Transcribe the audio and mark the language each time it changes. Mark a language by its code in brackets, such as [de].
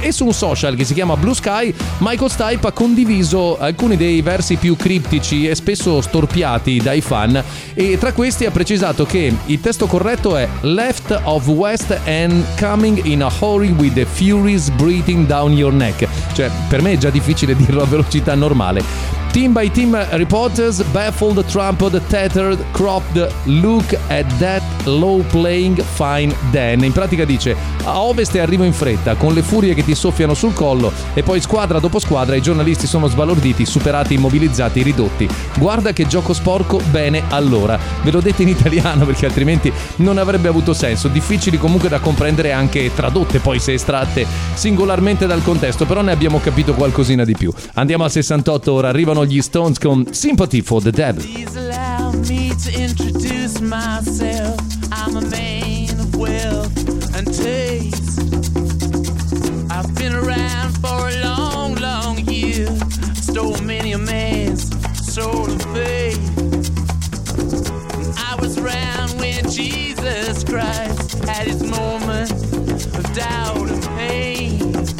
[it] E su un social che si chiama Blue Sky, Michael Stipe ha condiviso alcuni dei versi più criptici e spesso storpiati dai fan, e tra questi ha precisato che il testo corretto è [en] Left of West and coming in a hurry with the furies breathing down your neck. [it] Cioè, per me è già difficile dirlo a velocità normale. [en] Team by team reporters baffled, trampled, tattered, cropped, look at that low playing fine Dan. [it] In pratica dice: a ovest e arrivo in fretta con le furie che ti soffiano sul collo, e poi squadra dopo squadra i giornalisti sono sbalorditi, superati, immobilizzati, ridotti. Guarda che gioco sporco, bene allora. Ve l'ho detto in italiano perché altrimenti non avrebbe avuto senso. Difficili comunque da comprendere anche tradotte poi se estratte singolarmente dal contesto, però ne abbiamo capito qualcosina di più. Andiamo al 68 ora. Arrivano gli Stones con Sympathy for the Devil. [en] to introduce myself. I'm a man of wealth and taste. I've been around for a long, long year. Stole many a man's soul and faith. I was around when Jesus Christ had his moment of doubt and pain.